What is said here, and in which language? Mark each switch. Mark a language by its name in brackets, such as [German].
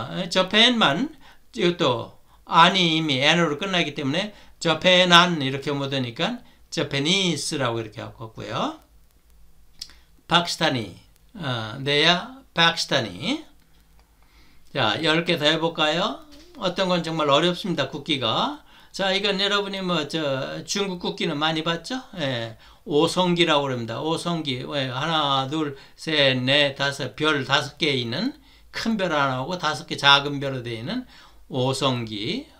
[Korean] 저펜만 이것도 안이 이미 N으로 끝나기 때문에 저펜안 이렇게 묻으니까 저페니스라고 이렇게 하고요. 파키스탄이 [English] they are Pakistani. [Korean] 자, 10개 더 해볼까요? 어떤 건 정말 어렵습니다, 국기가. 자, 이건 여러분이 뭐, 저, 중국 국기는 많이 봤죠? 예, 오성기라고 합니다. 오성기. 예, 하나, 둘, 셋, 넷, 다섯, 별 다섯 개 있는, 큰 별 하나하고 다섯 개 작은 별로 되어 있는 오성기.